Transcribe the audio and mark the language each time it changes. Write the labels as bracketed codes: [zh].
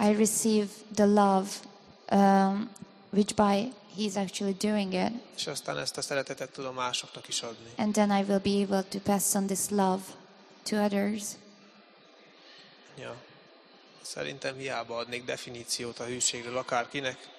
[en] I receive the love which by he's actually doing it. [hu] És aztán ezt a szeretetet tudom másoknak is adni. [en] And then I will be able to pass on this love to others. Ja. [hu] Szerintem hiába adnék definíciót a hűségről akárkinek.